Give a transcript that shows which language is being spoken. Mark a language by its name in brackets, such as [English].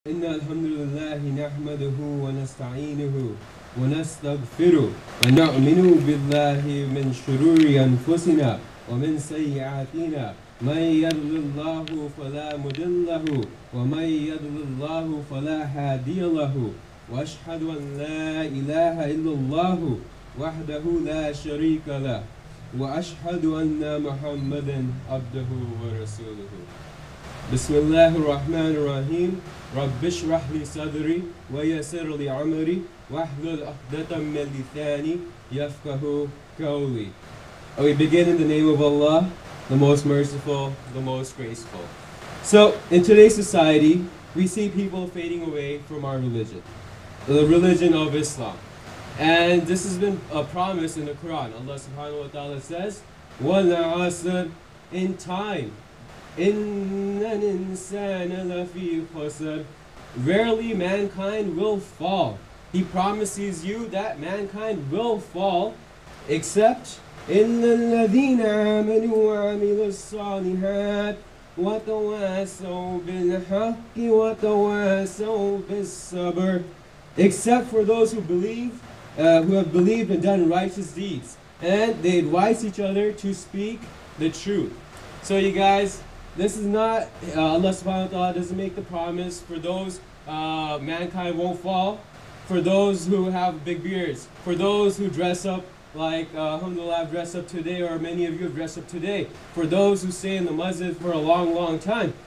[Arabic] إن الحمد لله نحمده ونستعينه ونستغفره ونؤمن بالله من شرور أنفسنا ومن سيئاتنا من يضل الله فلا مضل له ومن يضلل الله فلا هادي له وأشهد أن لا إله إلا الله وحده لا شريك له وأشهد أن محمدا عبده ورسوله بسم الله الرحمن الرحيم رب اشرح لي صدري ويسر لي عمري واحلل عقدة من لساني يفقه قولي. [English] We begin in the name of Allah, the most merciful, the most graceful. So, in today's society, we see people fading away from our religion, the religion of Islam. And this has been a promise in the Quran. Allah subhanahu wa ta'ala says, [Arabic] وَلَا عَصْرٍ [English] in time. [Arabic] إِنَّ الْإِنسَانَ لَفِي خُسْرٍ. [English] Rarely mankind will fall. He promises you that mankind will fall, except [Arabic] إِنَّ الَّذِينَ آمَنُوا وَعَمِلُوا الصَّالِحَاتِ وَتَوَاسَوْا بِالْحَقِّ وَتَوَاسَوْا بِالصَّبْرِ. [English] Except for those who believe, who have believed and done righteous deeds, and they advise each other to speak the truth. So you guys, this is not, Allah subhanahu wa ta'ala doesn't make the promise for those mankind won't fall, for those who have big beards, for those who dress up like, alhamdulillah, I've dressed up today, or many of you have dressed up today, for those who stay in the masjid for a long, long time.